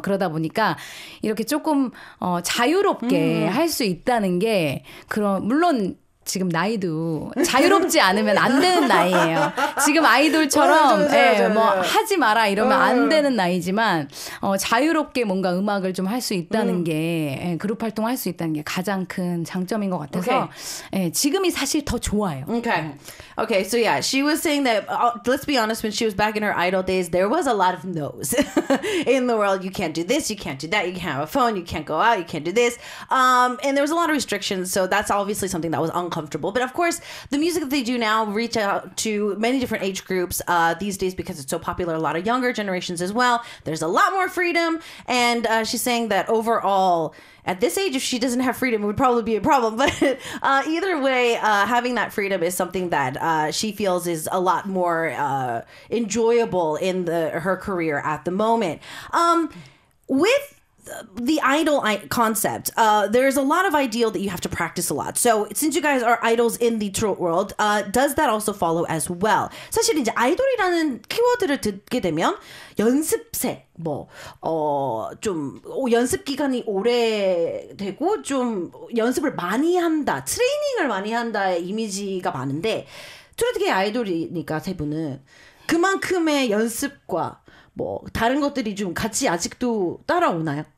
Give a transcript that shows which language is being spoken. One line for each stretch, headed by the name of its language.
Korean: 그러다 보니까 이렇게 조금 자유롭게 할 수 있다는 게 그런 물론 지금 나이도 자유롭지 않으면 안 되는 나이예요. 지금 아이돌처럼 뭐 하지 마라 이러면 안 되는 나이지만 자유롭게 뭔가 음악을 좀 할 수 있다는 게 그룹 활동할 수 있다는 게 가장 큰 장점인 것 같아서 지금이 사실 더 좋아요.
English: Okay. Okay, so yeah, she was saying that, let's be honest, when she was back in her idol days, there was a lot of no's in the world. You can't do this, you can't do that, you can't have a phone, you can't go out, you can't do this. And there was a lot of restrictions, so that's obviously something that was uncomfortable. But of course, the music that they do now reach out to many different age groups these days because it's so popular, a lot of younger generations as well. There's a lot more freedom, and she's saying that overall, at this age, if she doesn't have freedom, it would probably be a problem. But either way, having that freedom is something that she feels is a lot more enjoyable in her career at the moment. With the idol concept, there's a lot of ideal that you have to practice a lot. So since you guys are idols in the trot world, does that also follow as well?
Korean: 사실 이제 아이돌이라는 키워드를 듣게 되면 연습생 뭐 좀 연습 기간이 오래 되고 좀 연습을 많이 한다, 트레이닝을 많이 한다의 이미지가 많은데 트로트계의 아이돌이니까 세 분은 그만큼의 연습과 뭐 다른 것들이 좀 같이 아직도 따라오나요?